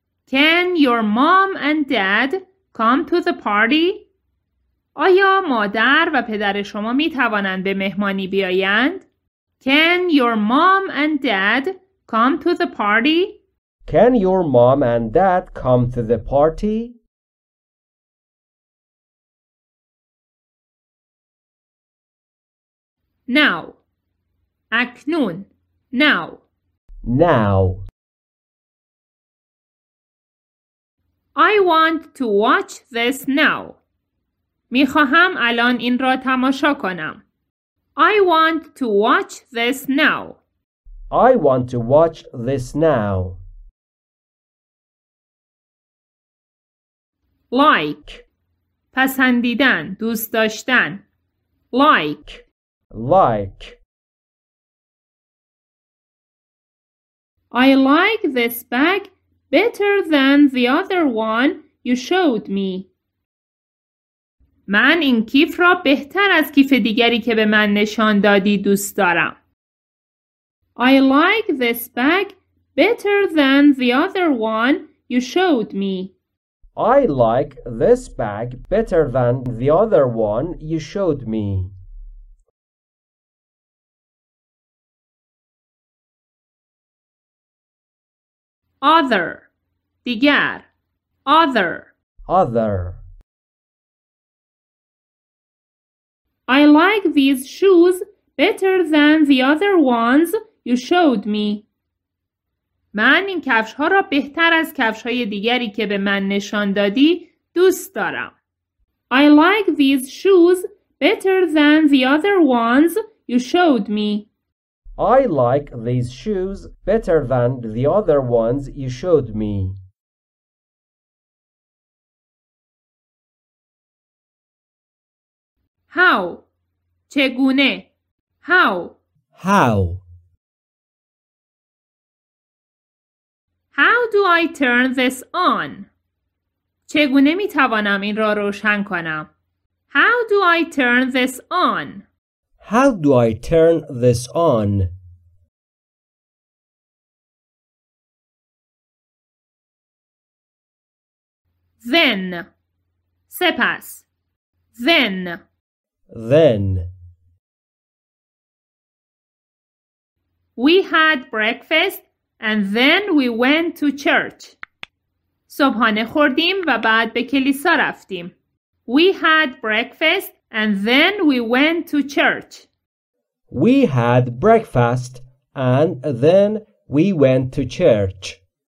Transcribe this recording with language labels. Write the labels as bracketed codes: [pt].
[en] Can your mom and dad come to the party? [fa] آیا مادر و پدر شما می توانند به مهمانی بیایند؟ [en] Can your mom and dad come to the party? Can your mom and dad come to the party? Now. اکنون. Now. Now. I want to watch this now. [fa] می خواهم الان این را تماشا کنم. [en] I want to watch this now. I want to watch this now. Like. [fa] پسندیدن، دوست داشتن. [en] Like. Like. I like this bag better than the other one you showed me. [fa] من این کیف را بهتر از کیف دیگری که به من نشان دادی دوست دارم. [en] I like this bag better than the other one you showed me. I like this bag better than the other one you showed me. Other. دیگر. Other. Other. I like these shoes better than the other ones you showed me. [fa] من این کفش ها را بهتر از کفش های دیگری که به من نشان دادی دوست دارم. [en] I like these shoes better than the other ones you showed me. I like these shoes better than the other ones you showed me. How? چگونه؟ How? How? How do I turn this on? [fa] چگونه می توانم این را روشن کنم؟ [en] How do I turn this on? How do I turn this on? Then. سپس. Then. Then. We had breakfast and then we went to church. [fa] صبحانه خوردیم و بعد به کلیسا رفتیم. [en] We had breakfast and then we went to church. We had breakfast and then we went to church.